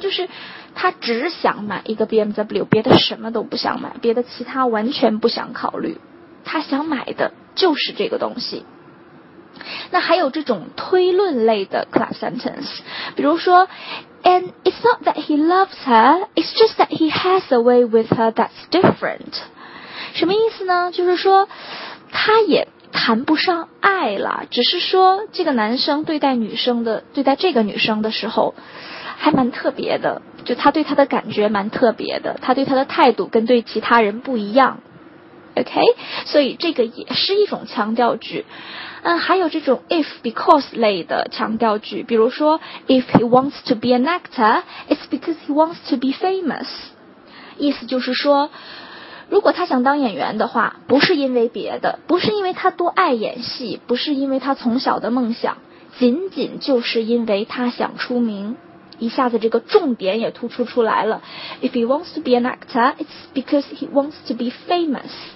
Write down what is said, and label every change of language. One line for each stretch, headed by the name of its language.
Chinese: 就是他只想买一个 BMW， 别的什么都不想买，别的其他完全不想考虑，他想买的就是这个东西。那还有这种推论类的 clap sentence， 比如说
English: And it's not that he loves her, it's just that he has a way with her that's different。
Chinese: 什么意思呢？就是说他也谈不上爱了，只是说这个男生对待女生的，对待这个女生的时候还蛮特别的，就他对他的感觉蛮特别的，他对他的态度跟对其他人不一样。 OK， 所以这个也是一种强调句。还有这种 if because 类的强调句，比如说
English: If he wants to be an actor, it's because he wants to be famous。
Chinese: 意思就是说如果他想当演员的话，不是因为别的，不是因为他多爱演戏，不是因为他从小的梦想，仅仅就是因为他想出名。一下子这个重点也突出出来了，
English: If he wants to be an actor, it's because he wants to be famous.